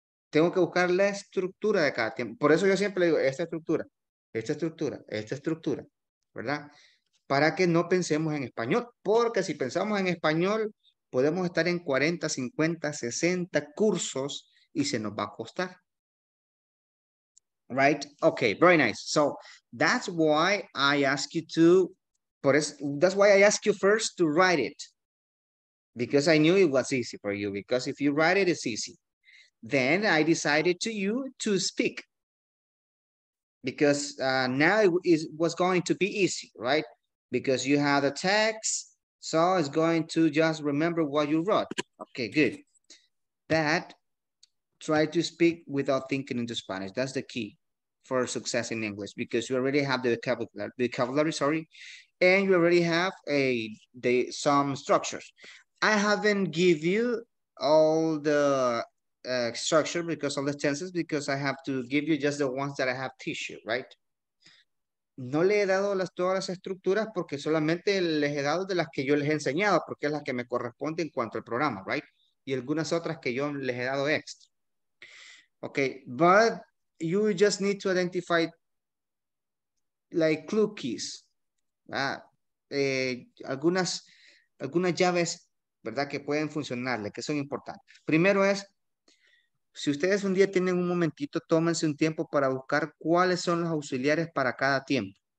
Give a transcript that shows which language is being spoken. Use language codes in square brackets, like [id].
[es] Tengo que buscar la estructura de cada tiempo. Por eso yo siempre le digo, esta estructura, esta estructura, esta estructura, ¿verdad? Para que no pensemos en español. Porque si pensamos en español, podemos estar en 40, 50, 60 cursos y se nos va a costar. [en] Right? Okay, very nice. So, that's why I ask you to, that's why I ask you first to write it. Because I knew it was easy for you. Because if you write it, it's easy. Then I decided to you to speak. Because now it was going to be easy, right? Because you have a text, so it's going to just remember what you wrote. Okay, good. That, try to speak without thinking into Spanish. That's the key for success in English, because you already have the vocabulary, and you already have some structures. I haven't give you all the structure, because all the tenses, because I have to give you just the ones that I have teach you, right? [es] No le he dado todas las estructuras porque solamente les he dado de las que yo les he enseñado, porque es las que me corresponden en cuanto al programa, right? Y algunas otras que yo les he dado extra. [en] Okay, but you just need to identify like clue keys. [es] Algunas llaves, ¿verdad?, que pueden funcionarle, que son importantes. Primero es, si ustedes un día tienen un momentito, tómense un tiempo para buscar cuáles son los auxiliares para cada tiempo.